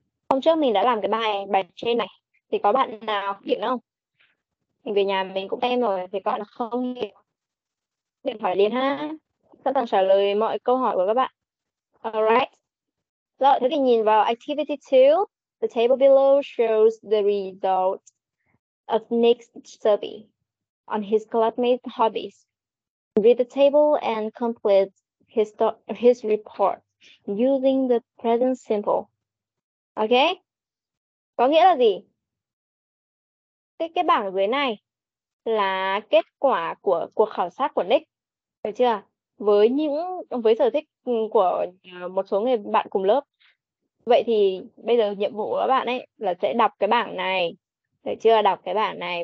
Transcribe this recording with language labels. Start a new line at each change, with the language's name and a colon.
Vietnamese: Hôm trước mình đã làm cái bài trên này. Thì có bạn nào hiểu không? Mình về nhà mình cũng xem rồi, thì các bạn không hiểu. Điện thoại liền ha. Sẵn sàng trả lời mọi câu hỏi của các bạn. Alright. Rồi, thế thì nhìn vào activity 2.
English: The table below shows the results of Nick's survey on his classmates' hobbies. Read the table and complete his report using the present simple.
Vietnamese: Okay? Có nghĩa là gì? Cái bảng dưới này là kết quả của cuộc khảo sát của Nick. Được chưa? Với sở thích của một số người bạn cùng lớp. Vậy thì bây giờ nhiệm vụ của các bạn ấy là sẽ đọc cái bảng này. Được chưa? Đọc cái bảng này.